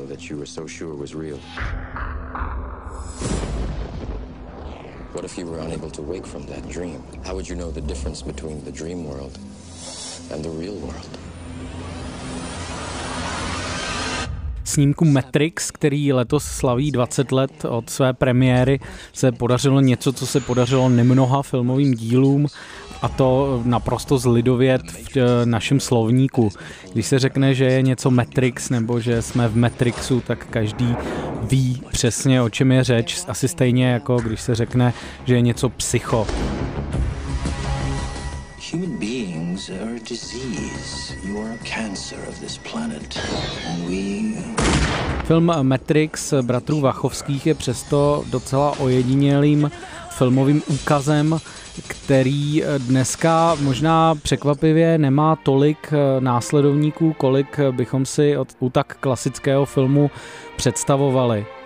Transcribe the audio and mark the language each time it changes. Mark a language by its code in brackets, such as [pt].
[en] you were so sure was real? What if you were unable to wake from that dream? How would you know the difference between the dream world and the real world? [cs] Snímku Matrix, který letos slaví 20 let od své premiéry, se podařilo něco, co se podařilo nemnoha filmovým dílům, a to naprosto zlidovět v našem slovníku. Když se řekne, že je něco Matrix nebo že jsme v Matrixu, tak každý ví přesně, o čem je řeč, asi stejně jako když se řekne, že je něco psycho. [en] Human beings are a disease. You are a cancer of this planet. And we... [cs] Film Matrix bratrů Wachowskich je přesto docela ojedinělým filmovým úkazem, který dneska možná překvapivě nemá tolik následovníků, kolik bychom si od u tak klasického filmu představovali.